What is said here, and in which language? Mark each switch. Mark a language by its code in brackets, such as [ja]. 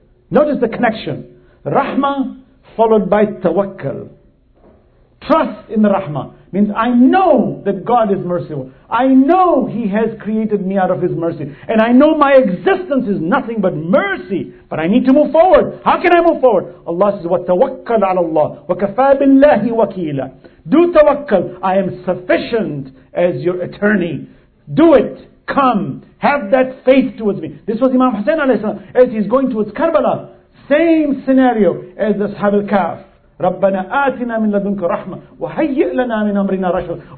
[en] Notice the connection. Rahma followed by tawakkal. Trust in the Rahma means I know that God is merciful. I know He has created me out of His mercy. And I know my existence is nothing but mercy. But I need to move forward. How can I move forward? Allah says, [ar] وَتَوَكَّلْ عَلَى اللَّهِ وَكَفَى بِاللَّهِ وَكِيلًا. [en] Do tawakkal. I am sufficient as your attorney. Do it. Come. Have that faith towards me. This was Imam Hussein alayhi salam. As he's going towards Karbala. Same scenario as the Ashab al-Kahf. [ar] رَبَّنَا آتِنَا مِنْ لَدُنْكَ رَحْمَةً وَهَيِّئْ لَنَا مِنْ أَمْرِنَا رَشَدًا.